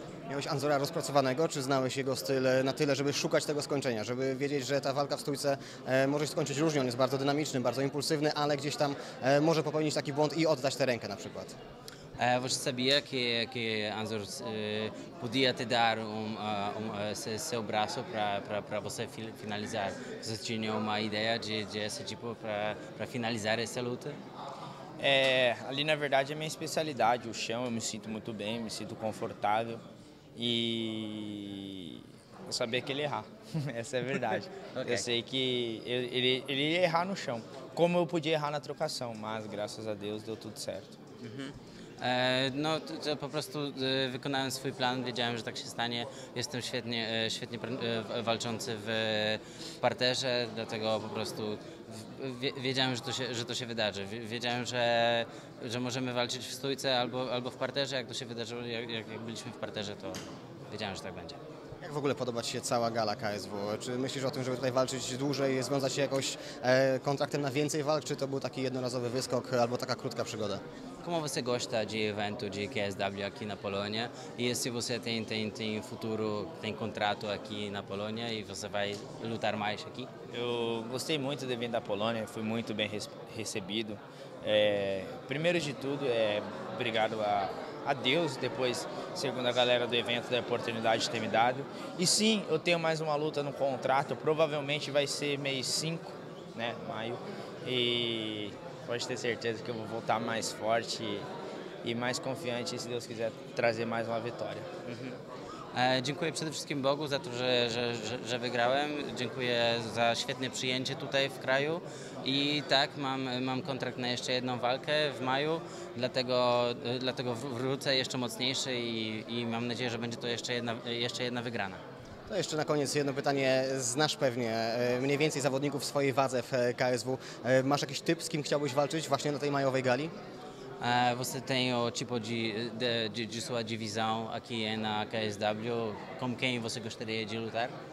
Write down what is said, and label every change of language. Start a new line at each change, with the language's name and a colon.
Polish: Miałeś Anzora rozpracowanego, czy znałeś jego styl na tyle, żeby szukać tego skończenia, żeby wiedzieć, że ta walka w stójce może się skończyć różnie, on jest bardzo dynamiczny, bardzo impulsywny, ale gdzieś tam może popełnić taki błąd i oddać tę rękę na przykład.
Portuguese: Você sabia que Anzor podia te dar seu braço para você finalizar? Você tinha uma ideia de esse tipo para finalizar essa luta? Ali na verdade é minha especialidade, o chão, eu me sinto muito bem, me sinto confortável. E eu sabia que ele ia errar, essa é a verdade. Okay. Eu sei que ele ia errar no chão, como eu podia errar na trocação, mas graças a Deus deu tudo certo.
Polish: No, to po prostu wykonałem swój plan, wiedziałem, że tak się stanie. Jestem świetnie walczący w parterze, dlatego po prostu wiedziałem, że to się wydarzy. Wiedziałem, że możemy walczyć w stójce albo w parterze. Jak to się wydarzyło, jak byliśmy w parterze, to wiedziałem, że tak będzie. Jak w ogóle podoba ci się cała gala KSW? Czy myślisz o tym, żeby tutaj walczyć dłużej, związać się jakoś kontraktem na więcej walk, czy to był taki jednorazowy wyskok albo taka krótka przygoda?
Portuguese: Como você gosta de evento de KSW aqui na Polônia? E se você tem futuro, tem contrato aqui na Polônia e você vai lutar mais aqui? Eu gostei muito do evento da Polônia, fui muito bem recebido. Primeiro de tudo, obrigado a Deus, depois, segundo a galera do evento, da oportunidade de ter me dado. E sim, eu tenho mais uma luta no contrato, provavelmente vai ser mês 5, né, maio, e pode ter certeza que eu vou voltar mais forte e mais confiante, se Deus quiser trazer mais uma vitória.
Polish: Dziękuję przede wszystkim Bogu za to, że wygrałem. Dziękuję za świetne przyjęcie tutaj w kraju. I tak, mam kontrakt na jeszcze jedną walkę w maju, dlatego wrócę jeszcze mocniejszy i mam nadzieję, że będzie to jeszcze jedna wygrana. To jeszcze na koniec jedno pytanie. Znasz pewnie mniej więcej zawodników w swojej wadze w KSW. Masz jakiś typ, z kim chciałbyś walczyć właśnie na tej majowej gali?
Portuguese: Você tem o tipo de sua divisão aqui na KSW, com quem você gostaria de lutar?